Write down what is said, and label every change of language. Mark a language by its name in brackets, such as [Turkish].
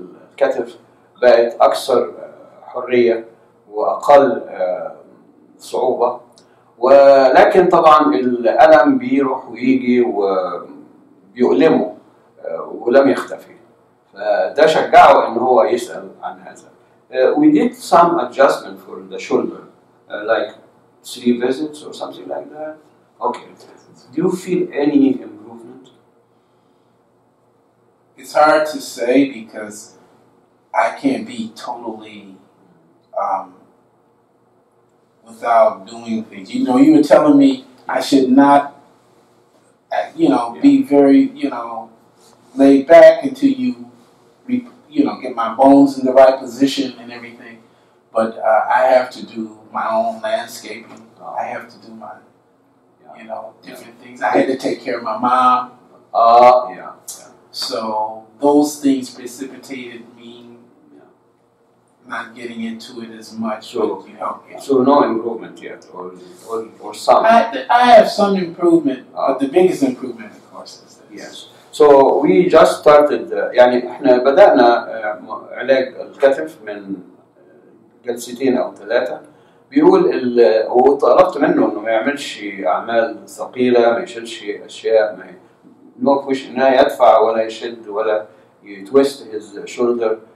[Arabic] الكتف بقت أكثر حرية وأقل صعوبة ولكن طبعا الألم بيروح ويجي وبيؤلمه ولم يختفي فده شجعه إن هو يسأل عن هذا. [English] We did some adjustment for the shoulder like 3 visits or something like that. Okay. Do you feel any improvement? It's hard to say because I can't be totally without doing things. You know, you were telling me I should not, you know, yeah. be very, you know, laid back until you, you know, get my bones in the right position and everything. But I have to do my own landscaping. Oh. I have to do my, yeah. you know, different yeah. things. I had to take care of my mom. Yeah. So those things precipitated me not getting into it as much. So, you help, yeah. So no improvement yet, or some? I have some improvement, but the biggest improvement, of course, is this. Yes. So we just started, [Arabic] يعني احنا بدأنا علاج الكتف من جلستين أو ثلاثة. بيقول وطلبت منه إنه ما يعملش أعمال ثقيلة, ما يشيلش أشياء, ما يوقفش إنه يدفع ولا يشد ولا يتويست [English] his shoulder.